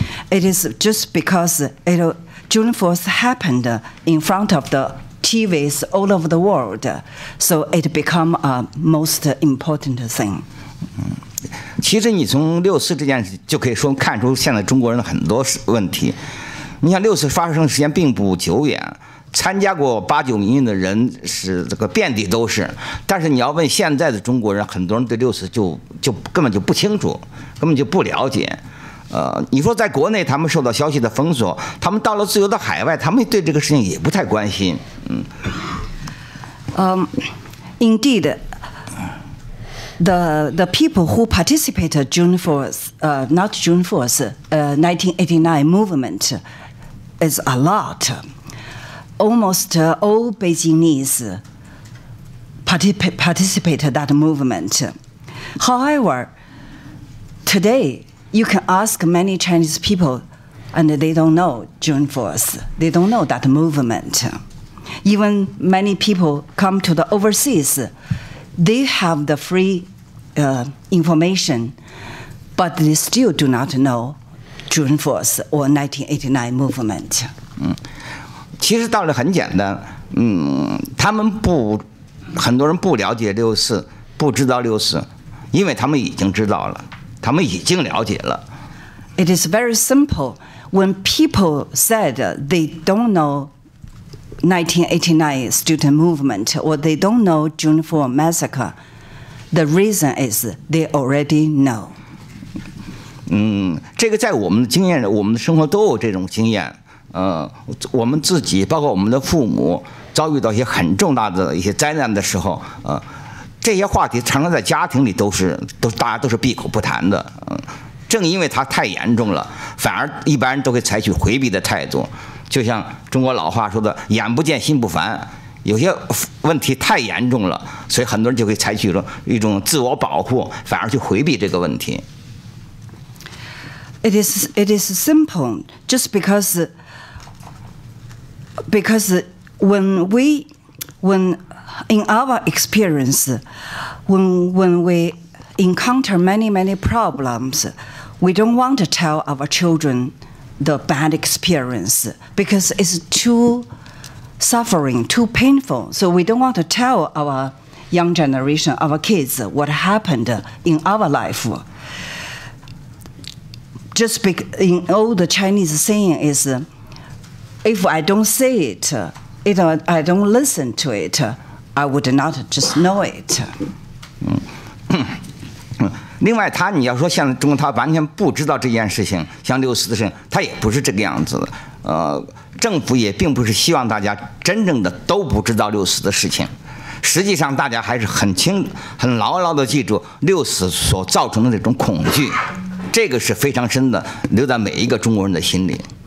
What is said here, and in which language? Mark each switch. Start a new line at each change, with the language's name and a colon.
English: It is just because June 4th happened in front of the TVs all over the world, so it became a most important thing.
Chinese: 其实你从六四这件事就可以说看出现在中国人的很多问题。你想六四发生时间并不久远。参加过八九民运的人是这个遍地都是，但是你要问现在的中国人，很多人对六四就根本就不清楚，根本就不了解。你说在国内他们受到消息的封锁，他们到了自由的海外，他们对这个事情也不太关心。嗯。
English: Indeed, the people who participated June 4th, not June 4th, 1989 movement, is a lot. Almost all Beijingese participated that movement. However, today you can ask many Chinese people, and they don't know June 4th. They don't know that movement. Even many people come to the overseas, they have the free information, but they still do not know June 4th or 1989 movement. Mm.
Chinese: 其实道理很简单，嗯，他们不，很多人不了解六四，不知道六四，因为他们已经知道了，他们已经了解了。
English: It is very simple. When people said they don't know 1989 student movement or they don't know June 4 massacre, the reason is they already know.
Chinese: 嗯，这个在我们的经验，我们的生活都有这种经验。我们自己包括我们的父母遭遇到一些很重大的一些灾难的时候，这些话题常常在家庭里都是大家都是闭口不谈的，正因为它太严重了，反而一般人都会采取回避的态度，就像中国老话说的“眼不见心不烦”，有些问题太严重了，所以很多人就会采取一种自我保护，反而去回避这个问题。
English: It is simple, just because when in our experience, when we encounter many, many problems, we don't want to tell our children the bad experience because it's too suffering, too painful. So we don't want to tell our young generation, our kids, what happened in our life. Just in all the Chinese saying is,If I don't say it, I don't listen to it, I would not just know it.
Chinese: 另外他你要说像中国他完全不知道这件事情像六四的事情他也不是这个样子的政府也并不是希望大家真正的都不知道六四的事情实际上大家还是很清很牢牢地记住六四所造成的那种恐惧这个是非常深的留在每一个中国人的心里